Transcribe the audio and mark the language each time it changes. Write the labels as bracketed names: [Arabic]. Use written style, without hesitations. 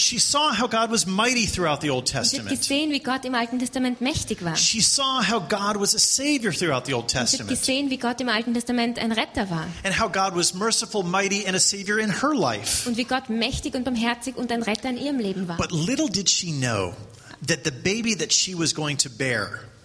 [English] She saw how God was mighty throughout the Old Testament. [German] Und sie hat gesehen, wie Gott im Alten Testament mächtig war. [English] She saw how God was a savior throughout the Old Testament. [German] Und sie hat gesehen, wie Gott im Alten Testament ein Retter war. [English] And how God was merciful, mighty and a savior in her life. [German] Und wie Gott mächtig und barmherzig und ein Retter in ihrem Leben war. [English] But little did she know that the baby that she was going to bear.